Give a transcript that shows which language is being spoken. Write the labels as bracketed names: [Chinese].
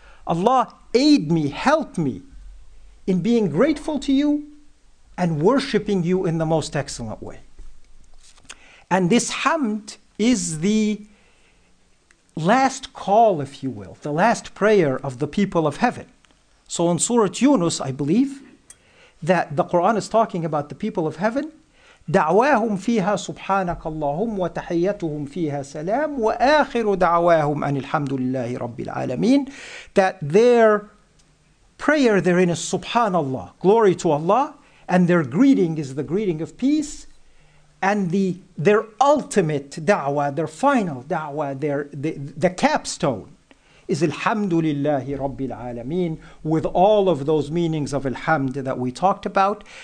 [English] Allah, aid me, help me in being grateful to you and worshipping you in the most excellent way. And this hamd is the last call, if you will, the last prayer of the people of heaven. So in Surah Yunus, I believe, that the Quran is talking about the people of heaven. [Arabic] دعواهم فيها سبحانك اللهم وتحياتهم فيها سلام وآخر دعواهم أن الحمد لله رب العالمين. [English] That their prayer therein is Subhanallah, glory to Allah, and their greeting is the greeting of peace, and their ultimate da'wah, their final da'wah, the capstone is [Arabic] Alhamdulillahi Rabbil Alameen, [English] with all of those meanings of Alhamd that we talked about.